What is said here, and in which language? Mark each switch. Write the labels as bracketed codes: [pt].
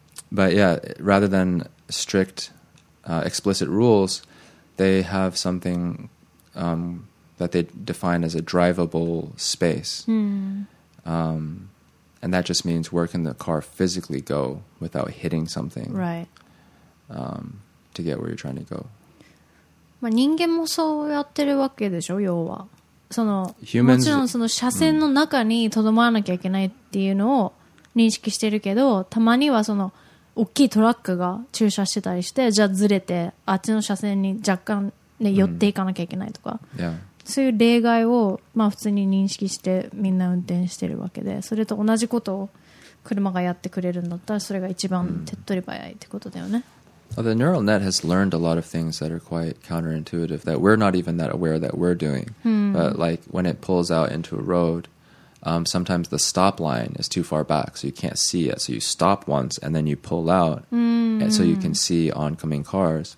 [en] But yeah, rather than strict, explicit rules, they have something that they define as a drivable space. And that just means where can the car physically go without hitting something, right? To get where you're trying to go. [ja] まあ人間もそうやってるわけでしょ、要は。その、もちろんその車線の中にとどまらなきゃいけないっていうのを認識してるけど、たまにはその大きいトラックが駐車してたりして、じゃあずれてあっちの車線に若干ね寄っていかなきゃいけないとか。そういう例外を、まあ、普通に認識してみんな運転してるわけで、それと同じことを車がやってくれるんだったらそれが一番手っ取り早いってことだよね。 [en] Well, the neural net has learned a lot of things that are quite counterintuitive that we're not even that aware that we're doing. But like when it pulls out into a road, Sometimes the stop line is too far back, so you can't see it. So you stop once and then you pull out and so you can see oncoming cars.